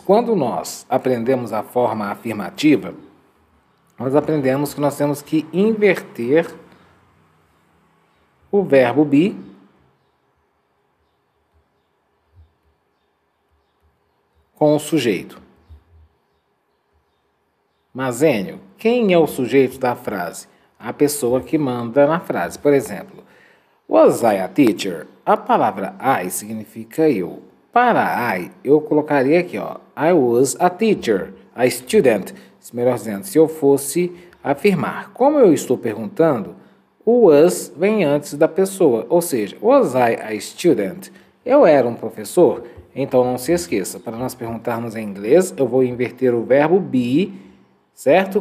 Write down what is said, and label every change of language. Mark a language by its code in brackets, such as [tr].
[pt] Quando nós aprendemos a forma afirmativa, nós aprendemos que nós temos que inverter o verbo be com o sujeito. Mas, Enio, quem é o sujeito da frase? A pessoa que manda na frase. Por exemplo, [en] was I a teacher? [pt] A palavra I significa eu. Para I, eu colocaria aqui, ó, [en] I was a teacher, a student. [pt] Melhor dizendo, se eu fosse afirmar. Como eu estou perguntando, o was vem antes da pessoa. Ou seja, [en] was I a student? [pt] Eu era um professor? Então, não se esqueça, para nós perguntarmos em inglês, eu vou inverter o verbo be, certo?